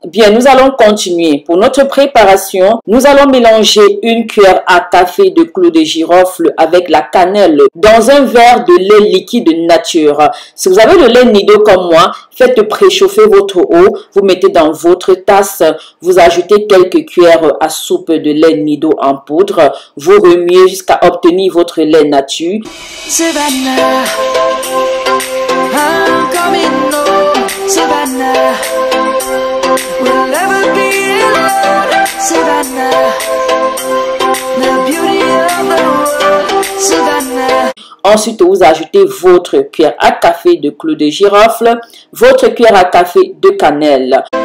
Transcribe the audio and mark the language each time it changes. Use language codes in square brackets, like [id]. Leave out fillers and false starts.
[fr] Bien, nous allons continuer. Pour notre préparation, nous allons mélanger 1 cuillère à café de clou de girofle avec la cannelle dans un verre de lait liquide nature. Si vous avez le lait Nido comme moi, faites préchauffer votre eau, vous mettez dans votre tasse, vous ajoutez quelques cuillères à soupe de lait Nido en poudre, vous remuez jusqu'à obtenir votre lait nature. [en] Savannah, I'm coming home, Savannah, we'll never be alone, Savannah, the beauty of the world, Savannah. [fr] Ensuite, vous ajoutez votre cuillère à café de clou de girofle, votre cuillère à café de cannelle.